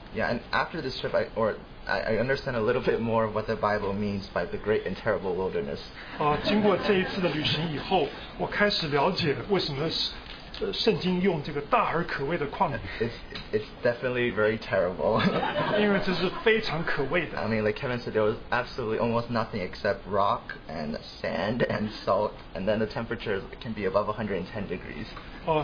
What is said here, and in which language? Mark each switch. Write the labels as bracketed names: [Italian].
[English] Yeah, and after this trip, I understand a little bit more of what the Bible means by the great and terrible wilderness. [Chinese] 经过这一次的旅行以后，我开始了解为什么圣经用这个大而可畏的旷野。 [English] It's definitely very terrible. [Chinese] 因为这是非常可畏的。 [English] I mean, like Kevin said, there was absolutely almost nothing except rock and sand and salt, and then the temperature can be above 110 degrees.